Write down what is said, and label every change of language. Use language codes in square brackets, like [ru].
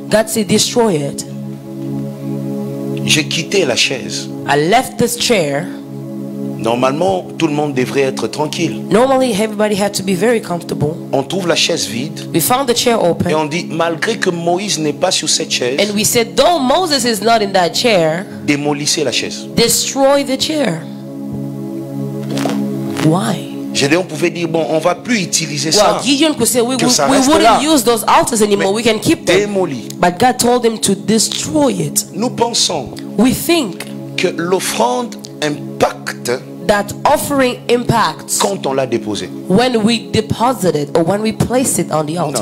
[en] God said, destroy it. [fr] J'ai quitté la chaise. [en] I left this chair. [fr] Normalement, tout le monde devrait être tranquille. [en] Normally, everybody had to be very comfortable. [fr] On trouve la chaise vide. [en] We found the chair open. [fr] Et on dit, malgré que Moïse n'est pas sur cette chaise. [en] And we said, though Moses is not in that chair. [fr] Démolissez la chaise. [en] Destroy the chair. Why? [fr] Gédéon pouvait dire, bon, on va plus utiliser [en] well, [fr] ça. [en] Well, Gideon could say, we wouldn't use those altars anymore. [fr] Mais [en] we can keep them. [fr] Démolis. [en] But God told them to destroy it. [fr] Nous pensons. [en] We think. [fr] Que l'offrande impacte [en] that offering impact [fr] quand on l'a déposé. [en] When we deposit it or when we place it on the altar.